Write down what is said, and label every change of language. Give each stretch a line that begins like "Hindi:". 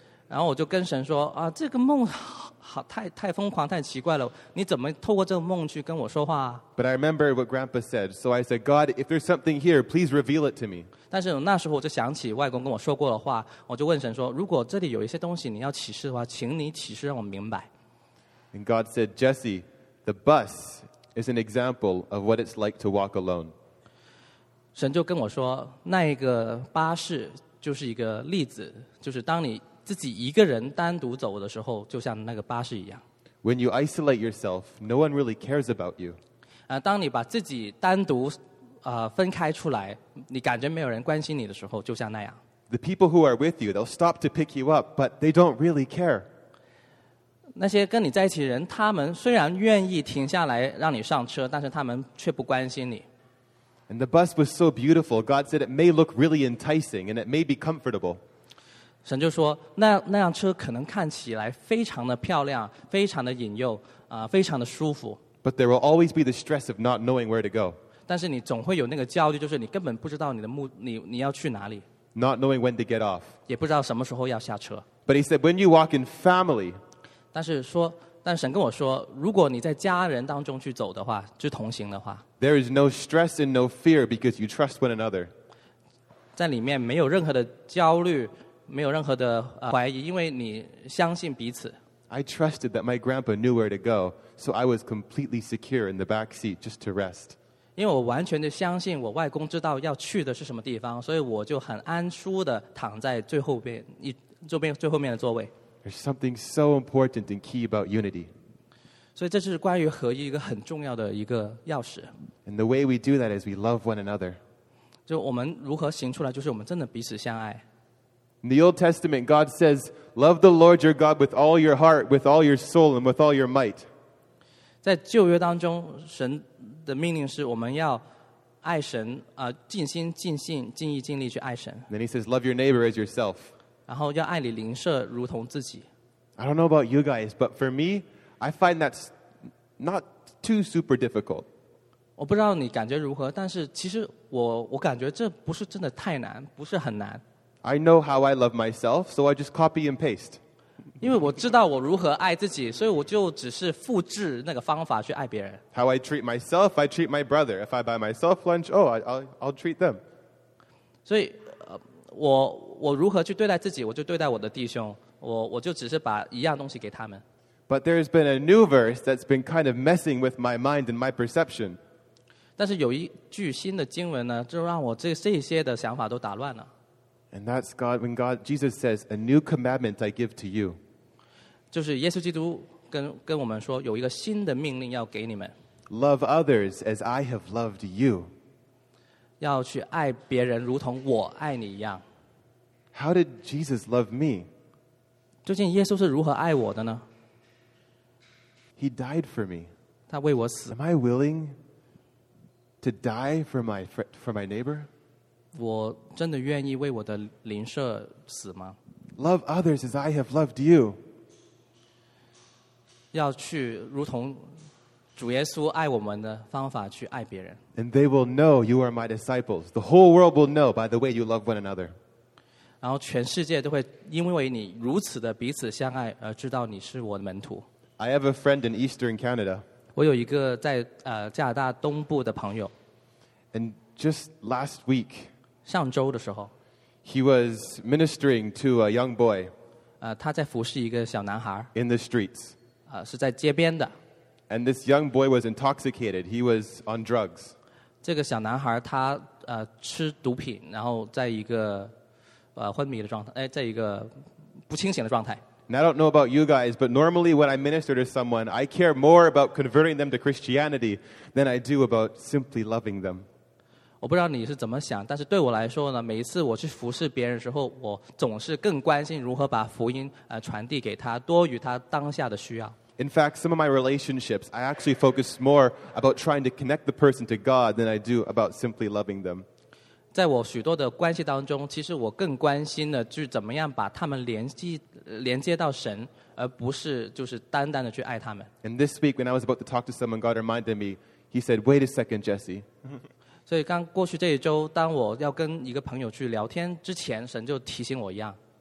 Chinese: 然后我就跟神说啊，这个梦好太疯狂，太奇怪了。你怎么透过这个梦去跟我说话？
English: But I remember what Grandpa said. So I said, God, if there's something here, please reveal it to me.
Chinese: 但是那时候我就想起外公跟我说过的话，我就问神说，如果这里有一些东西你要启示的话，请你启示让我明白。
English: And God said, Jesse, the bus is an example of what it's like to walk alone.
Chinese: 神就跟我说，那一个巴士就是一个例子，就是当你自己一个人单独走的时候，就像那个巴士一样。
English: When you isolate yourself, no one really cares about you.
Chinese: 当你把自己单独分开出来，你感觉没有人关心你的时候，就像那样。
English: The people who are with you, they'll stop to pick you up, but they don't really care.
Chinese: 那些跟你在一起的人，他们虽然愿意停下来让你上车，但是他们却不关心你。
English: And the bus was so beautiful. God said it may look really enticing and it may be comfortable.
Chinese: 神就说，那辆车可能看起来非常的漂亮，非常的引诱，非常的舒服。
English: But there will always be the stress of not knowing where to go.
Chinese: 但是你总会有那个焦虑，就是你根本不知道你要去哪里。
English: Not knowing when to get off.
Chinese: 也不知道什么时候要下车。
English: But he said, when you walk in family.
Chinese: 但神跟我说，如果你在家人当中去走的话，去同行的话
English: ，There is no stress and no fear because you trust one another.
Chinese: 在里面没有任何的焦虑，没有任何的怀疑，因为你相信彼此。
English: I trusted that my grandpa knew where to go, so I was completely secure in the back seat just to rest.
Chinese: 因为我完全的相信我外公知道要去的是什么地方，所以我就很安舒的躺在最后面的座位。
English: There's something so important and key about unity.
Chinese: 所以这是关于合一一个很重要的一个钥匙。
English: And the way we do that is we love one another.
Chinese: 就我们如何行出来，就是我们真的彼此相爱。
English: In the Old Testament, God says, "Love the Lord your God with all your heart, with all your soul, and with all your might."
Chinese: 在旧约当中，神的命令是我们要爱神，尽心、尽性、尽意、尽力去爱神。
English: Then He says, "Love your neighbor as yourself."
Chinese: 然后要爱你邻舍如同自己。
English: I don't know about you guys, but for me, I find that's not too super difficult.
Chinese: 我不知道你感觉如何，但是其实我感觉这不是真的太难，不是很难。
English: I know how I love myself, so I just copy and paste.
Chinese: 因为我知道我如何爱自己，所以我就只是复制那个方法去爱别人。
English: How I treat myself, I treat my brother. If I buy myself lunch, oh, I'll treat them.
Chinese: 所以我如何去对待自己，我就对待我的弟兄，我就只是把一样东西给他们。
English: But there's been a new verse that's been kind of messing with my mind and my perception.
Chinese: 但是有一句新的经文呢，就让我这些的想法都打乱了。
English: And that's God, when God, Jesus says, a new commandment I give to you.
Chinese: 就是耶稣基督跟我们说，有一个新的命令要给你们。
English: Love others as I have loved you.
Chinese: 要去爱别人如同我爱你一样。
English: How did Jesus love me?
Chinese: 究竟耶稣是如何爱我的呢？
English: He died for me.
Chinese: 他为我死。
English: Am I willing to die for my neighbor?
Chinese: 我真的愿意为我的邻舍死吗？
English: Love others as I have loved you.
Chinese: 要去如同主耶稣爱我们的方法去爱别人。
English: And they will know you are my disciples. The whole world will know by the way you love one another.
Chinese: 然后全世界都会因为你如此的彼此相爱而知道你是我的门徒。
English: I have a friend in Eastern Canada.
Chinese: 我有一个在加拿大东部的朋友。
English: And just last week,
Chinese: 上周的时候
English: he was ministering to a young boy.
Chinese: 他在服侍一个小男孩。
English: In the streets.
Chinese: 是在街边的。
English: And this young boy was intoxicated. He was on drugs.
Chinese: 这个小男孩他吃毒品，然后在一个昏迷的状态，哎，在一个不清醒的状态。
English: Now, I don't know about you guys, but normally when I minister to someone, I care more about converting them to Christianity than I do about simply loving them.
Chinese: 我不知道你是怎么想，但是对我来说呢，每一次我去服侍别人的时候，我总是更关心如何把福音传递给他，多于他当下的需要。
English: In fact, some of my relationships, I actually focus more about trying to connect the person to God than I do about simply loving them.
Chinese: 在我许多的关系当中，其实我更关心的是怎么样把他们连接到神，而不是就是单单的去爱他们。
English: And this week, when I was about to talk to someone, God reminded me, he said, wait a second, Jesse.
Chinese: 所以刚过去这一周，当我要跟一个朋友去聊天之前，神就提醒我一样。